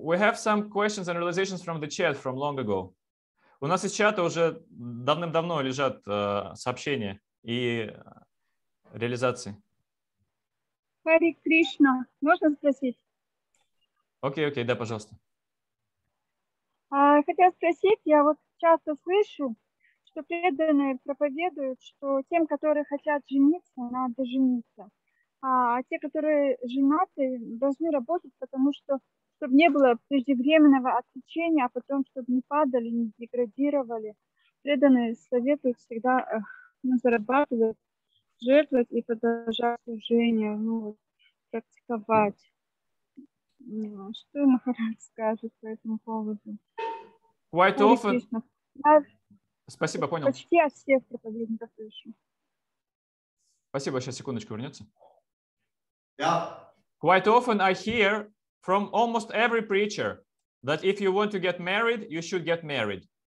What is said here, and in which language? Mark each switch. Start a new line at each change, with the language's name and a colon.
English: We have some questions and realizations from the chat from long ago.
Russian: У нас из чата уже давным-давно лежат сообщения и реализации. Хари Кришна, можно спросить? Окей, да, пожалуйста. Хотел спросить, я вот часто слышу, что преданные проповедуют, что тем, которые хотят жениться, надо жениться. А те, которые женаты, должны работать, потому что, чтобы не было преждевременного отречения, а потом, чтобы не падали, не деградировали. Преданные советуют всегда зарабатывать, жертвовать и продолжать служение, практиковать. Что Махарадж скажет по этому поводу?
English: Quite often.
Russian: Спасибо, понял. Почти от всех проповедников слышу. Спасибо, сейчас секундочку вернется.
English: Yeah. Quite often I hear from almost every preacher that if you want to get married, you should get married.